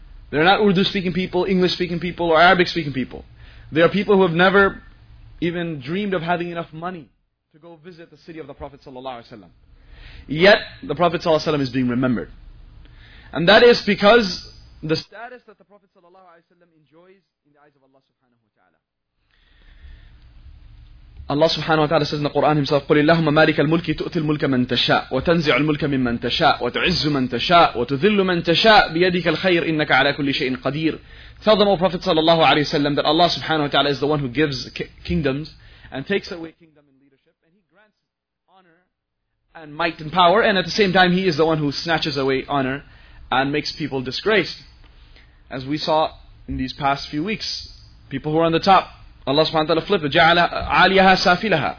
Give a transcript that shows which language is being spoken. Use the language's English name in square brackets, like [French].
[English] They are not Urdu speaking people, English speaking people, or Arabic speaking people. They are people who have never even dreamed of having enough money to go visit the city of the Prophet sallallahu alaihi wasallam. Yet the Prophet sallallahu alaihi wasallam is being remembered, and that is because the status that the Prophet sallallahu alaihi wasallam enjoys in the eyes of Allah subhanahu wa ta'ala. Allah subhanahu wa ta'ala says in the Quran himself, [Arabic] قُلِ اللَّهُمَّ مَالِكَ الْمُلْكِ تُؤْتِي الْمُلْكَ مَنْ تَشَاءُ وَتَنْزِعُ الْمُلْكَ مِمَّنْ تَشَاءُ وَتُعِزُّ مَنْ تَشَاءُ وَتُذِلُّ مَنْ تَشَاءُ بِيَدِكَ الْخَيْرِ إِنَّكَ عَلَى كُلِّ شَيْءٍ قَدِيرٌ. [English] Tell them, O Prophet sallallahu alayhi wa sallam, that Allah subhanahu wa ta'ala is the one who gives kingdoms and takes away kingdom and leadership, and He grants honor and might and power, and at the same time He is the one who snatches away honor and makes people disgraced. As we saw in these past few weeks, people who are on the top, Allah subhanahu wa ta'ala flipped, [Arabic] ja'ala 'aliyaha safilaha.